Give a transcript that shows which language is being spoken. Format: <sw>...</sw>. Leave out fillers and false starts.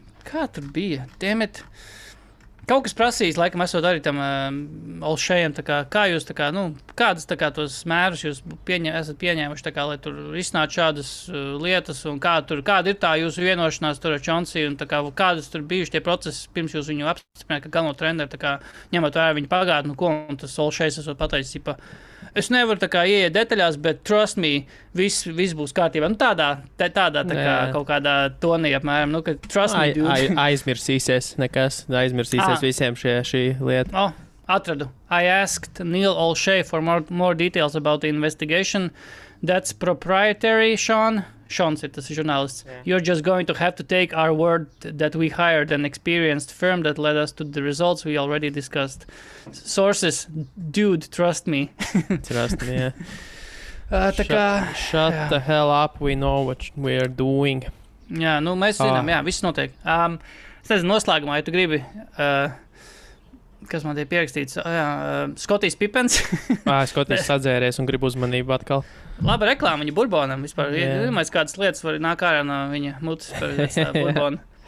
<lv>kā tur bija, dammit, kaut kas prasījis, laikam esot arī tam Olšējam, tā kā, kā jūs, tā kā, nu, kādas, tā kā, tos mērus jūs esat pieņēmuši, tā kā, lai tur iznāca šādas lietas, un kā tur, kāda ir tā jūsu vienošanās tur ar Čonsiju, un tā kā, kādas tur bijuši tie procesi, pirms jūs viņu apstiprināt, ka galveno treneri, tā kā, ņemot vērā viņu pagāt, nu, ko, un tas Olšējs esot pateicis, tipa, es nevaru, tā kā, ieiet detaļās, bet trust me, viss būs kārtībā, nu, tādā, tā kā, kaut kādā tonī, apmēram, nu, ka trust me, dude. Aizmirsīsies nekas, aizmirsīsies visiem šī lieta. Oh, atradu.</lv> <en>I asked Neil Olšej for more details about the investigation. That's proprietary, Sean. Sean's it, tas ir žurnālists. Yeah. You're just going to have to take our word that we hired an experienced firm that led us to the results we already discussed. Sources, dude, trust me. Trust me, yeah.</en> <lv>Tā kā,</lv> <en>shut the hell up, we know what we are doing.</en> <lv>Jā, nu mēs zinām, jā, viss notiek. Es nezinu, noslēgumā, ja tu gribi, kas man tie pierakstīts, Scottijs Pippens. Scottijs sadzēries un grib uzmanību atkal. Laba reklāma viņa burbonam, vispār, domāju, kādas lietas var nāk ārā no viņa mutes par burbonu.</lv>